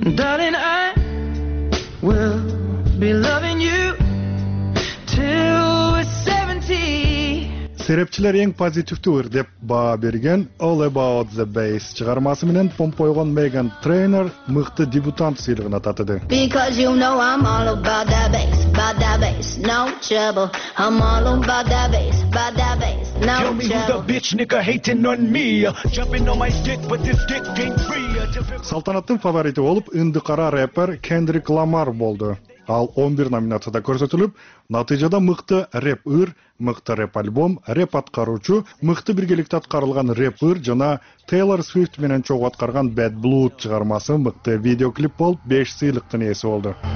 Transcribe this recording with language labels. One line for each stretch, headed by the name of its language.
English: Darling, I will be loving you till we're 70.
Kyrgyz: Серепчилер эң позитивдүү ыр деп баа берген All About The Bass чыгармасы менен помпойгон Меган Трейнер мыкты дебютант сыйлыгын аттады.
English: Because you know I'm all about that bass, about that bass, no trouble. I'm all about that bass, about that bass, no trouble. Tell me who the bitch nigga hating on me, jumping on my dick but this dick ain't free.
Kyrgyz: Салтанаттын фавориту болуп ынды кара рэпер Кендрик Ламар болду. Ал 11 номинацияда көрсөтүлүп, натыйжада мыкты рэп ыр, мыкты рэп альбом, рэп аткаруучу, мыкты биргеликте аткарылган рэп ыр жана Тейлор Свифт менен чогуу аткарган Bad Blood чыгармасы мыкты видеоклип болуп 5 сыйлыктын ээси болду.